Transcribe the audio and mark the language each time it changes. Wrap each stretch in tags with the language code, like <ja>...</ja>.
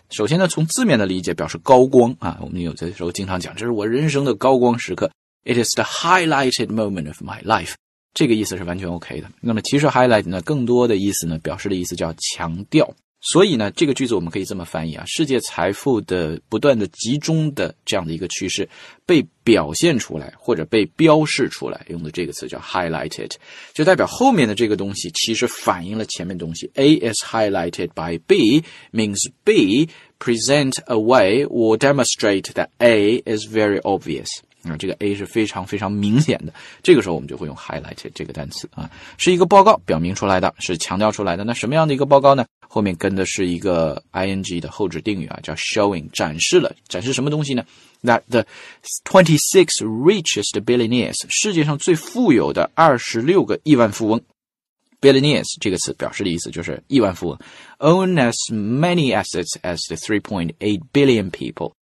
<zh>首先呢从字面的理解表示高光，啊，我们有的时候经常讲这是我人生的高光时刻。</zh> <en>It is the highlighted moment of my life.</en> <zh>这个意思是完全 OK 的。那么其实 highlight 呢更多的意思呢表示的意思叫强调。所以呢这个句子我们可以这么翻译啊，世界财富的不断的集中的这样的一个趋势被表现出来或者被标示出来，用的这个词叫 highlighted, 就代表后面的这个东西其实反映了前面的东西。</zh> <en>A is highlighted by B means B present a way or demonstrate that A is very obvious,</en> <zh>这个 A 是非常非常明显的，这个时候我们就会用 highlighted 这个单词啊，是一个报告表明出来的，是强调出来的。那什么样的一个报告呢？后面跟的是一个 ing 的后置定语啊，叫 showing, 展示了，展示什么东西呢？</zh> <en>That the 26 richest billionaires,</en> <zh>世界上最富有的26个亿万富翁。 billionaires 这个词表示的意思就是亿万富翁。</zh> <en>own as many assets as the 3.8 billion people,</en>